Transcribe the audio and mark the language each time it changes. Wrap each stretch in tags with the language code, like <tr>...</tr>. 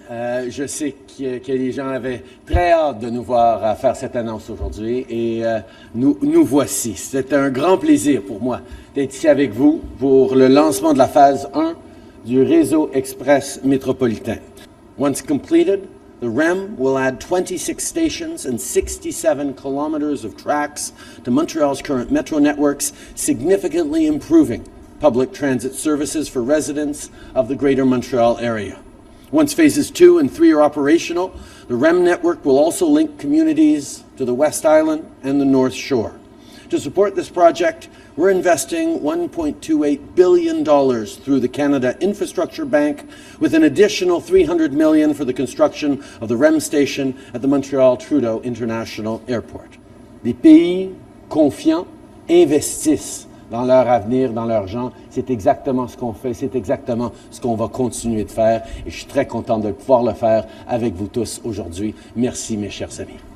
<fr>Je sais que les gens avaient très hâte de nous voir faire cette annonce aujourd'hui. Et nous voici. C'est un grand plaisir pour moi d'être ici avec vous pour le lancement de la phase 1 du réseau express métropolitain.</fr> <en>Once completed, the REM will add 26 stations and 67 kilometers of tracks to Montreal's current metro networks, significantly improving public transit services for residents of the Greater Montreal area. Once phases 2 and 3 are operational, the REM network will also link communities to the West Island and the North Shore. To support this project, we're investing $1.28 billion through the Canada Infrastructure Bank, with an additional $300 million for the construction of the REM station at the Montreal Trudeau International Airport.</en> <fr>Les pays confiants investissent dans leur avenir, dans leur gens. C'est exactement ce qu'on fait, c'est exactement ce qu'on va continuer de faire. Et je suis très content de pouvoir le faire avec vous tous aujourd'hui. Merci, mes chers amis.</fr>